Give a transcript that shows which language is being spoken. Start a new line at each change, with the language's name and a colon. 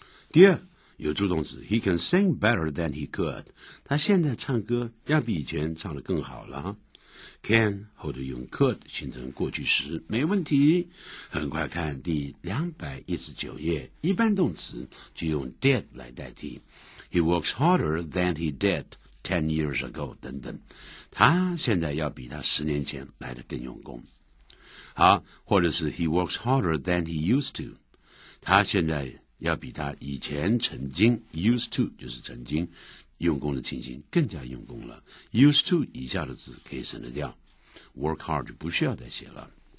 Chinese: 第二，有助动词 ,
English: he can sing better than he could,
Chinese: 他现在唱歌要比以前唱得更好了。 can, 后头用 could, 形成过去时，没问题。很快看第219页，一般动词就用 did 来代替。
English: he works harder than he did 10 years ago,
Chinese: 等等。他现在要比他十年前来得更用功。好，或者是
English: he works harder than he used to,
Chinese: 他现在要比他以前曾经 used to 就是曾经用功的情形更加用功了。 used to 以下的字可以省得掉， work hard 就不需要再写了。